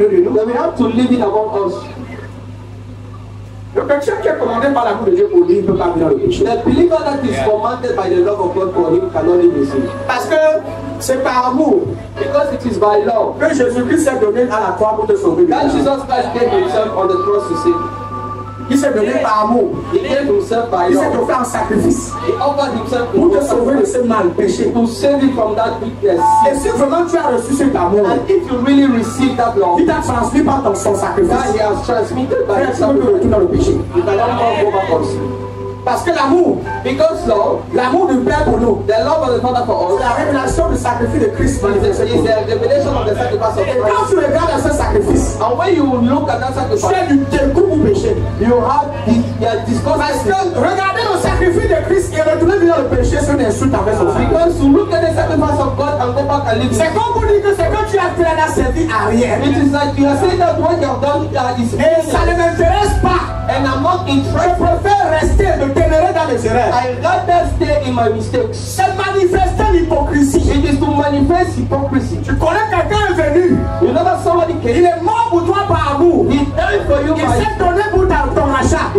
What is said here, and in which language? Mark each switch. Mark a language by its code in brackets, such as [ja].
[fr] On parle de l'amour de Dieu, mais on ne vit pas l'amour de Dieu. Le chrétien qui est commandé par l'amour de Dieu pour lui, il ne peut pas vivre dans le péché. [en] The believer that is commanded by the love of God for him cannot live in sin. [fr] Parce que c'est par amour. [en] Because it is by love. [fr] Que Jésus-Christ s'est donné à la croix pour te sauver. [en] That Jesus Christ gave himself on the cross to save. [fr] Il s'est donné par amour. [en] He gave himself by love. [fr] Il s'est offert en sacrifice. [en] He offered himself [fr] pour te sauver de ce mal péché. [en] To save you from that wickedness. [fr] Et si vraiment tu as reçu cet amour, [en] and if you really receive that love, [fr] il t'a transmis par ton son sacrifice. [en] That he has transmitted by his sacrifice. [fr] Tu ne peux plus retourner dans le péché. [en] You cannot go back on sin. [fr] Parce que l'amour, [en] because love, [fr] l'amour du Père pour nous, [en] the love of the Father for us, [fr] la révélation du sacrifice de Christ, [en] is the revelation of the sacrifice of Christ. [fr] Et quand tu regardes ce sacrifice, [en] and when you look at that sacrifice, [fr] tu as du dégoût pour péché. [en] You have the disgust. [fr] Parce que regarder le sacrifice de Christ et retourner dans le péché, c'est une insulte envers son Fils. [en] Because to look at the sacrifice of God and go back and live, [fr] c'est comme vous dites que c'est quand tu as fait la servi à rien. [en] It is like you are saying that what you have done is [fr] et ça ne m'intéresse pas. [en] And I'm not interested. [fr] Je préfère rester de ténèbres dans les erreurs. [en] I rather stay in my mistakes. [fr] C'est manifester l'hypocrisie. [en] It is to manifest hypocrisy. [fr] Tu connais quelqu'un est venu. [en] You know that somebody came. [fr] Il est mort pour toi par amour. [en] He died for you. [fr] Il s'est donné pour ton rachat.